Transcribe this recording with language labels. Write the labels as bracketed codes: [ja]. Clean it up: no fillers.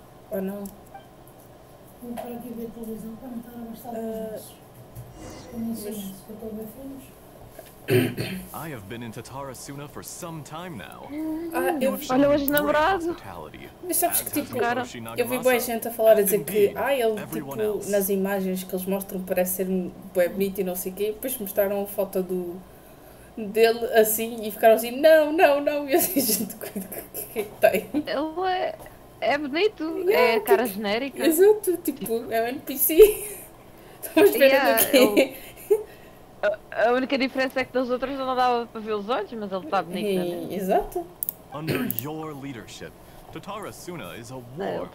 [en] Oh no. I have been in Tatara Suna for some time now. [pt] Olha hoje namorado. Mas sabes que tipo, cara, eu vi boa gente a falar a dizer que ah, ele tipo, nas imagens que eles mostram parece ser bem bonito e não sei o quê, depois mostraram a foto do dele assim e ficaram assim, não, não, não, e assim, gente, o que é que tem? Ele é bonito, yeah, é tipo, cara genérica. Exato, tipo, é um NPC. Estão esperando aqui. A única diferença é que das outras não dava para ver os olhos, mas ele está bonito. Né? Exato. [en] Under your leadership, Tatara Suna is a warm,